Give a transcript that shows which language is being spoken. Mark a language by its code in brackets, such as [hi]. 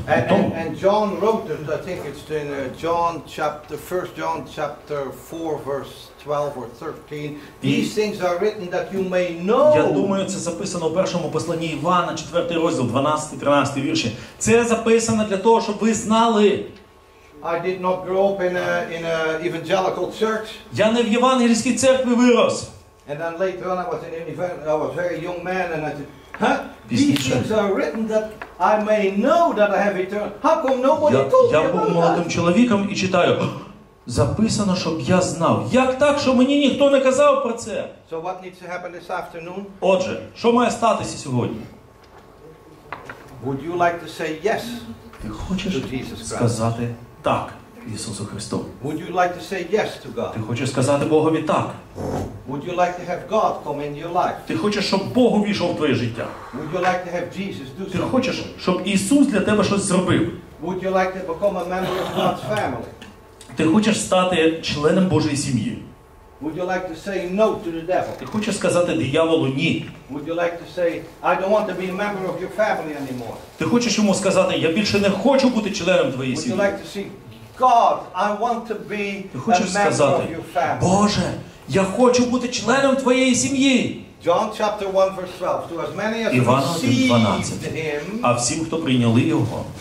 [en] And John wrote it, I think it's in John chapter 1 John chapter 4 verse 12 or 13. These things are written that you may know. [uk] Я думаю, це записано у першому посланні Івана, 4 розділ, 12-13 вірші. Це записано для того, щоб ви знали. [en] I did not grow up in a evangelical church. [uk] Я не в євангельській церкві вирос. [en] And then later on I was a very young man and I said, "Huh? These things are written that I may know that I have eternal. How come nobody told me about that?" [uk] Я був молодим чоловіком і читаю. Записано, щоб я знав. Як так, що мені ніхто не казав про це? [en] So what needs to happen this afternoon? [uk] Отже, що має статися сьогодні? [en] Would you like to say yes? [uk] Ти хочеш сказати так, Ісусу Христу. [en] Would you like to say yes to God? [uk] Ти хочеш сказати Богові так. [en] Would you like to have God come in your life? [uk] Ти хочеш, щоб Бог увійшов в твоє життя. [en] Would you like to have Jesus do something? [uk] Ти хочеш, щоб Ісус для тебе щось зробив. [en] Would you like to become a member of God's family? [uk] Ти хочеш стати членом Божої сім'ї. [en] Would you like to say no to the devil? [uk] Ти хочеш сказати дияволу ні. [en] Would you like to say I don't want to be a member of your family anymore? [uk] Ти хочеш йому сказати я більше не хочу бути членом твоєї сім'ї. [en] Would you like to say God, I want to be a member of your family? [uk] Боже, Я хочу бути членом твоєї сім'ї. [en] John chapter 1 verse 12. To as many as received him, [uk] а всім, хто прийняли його,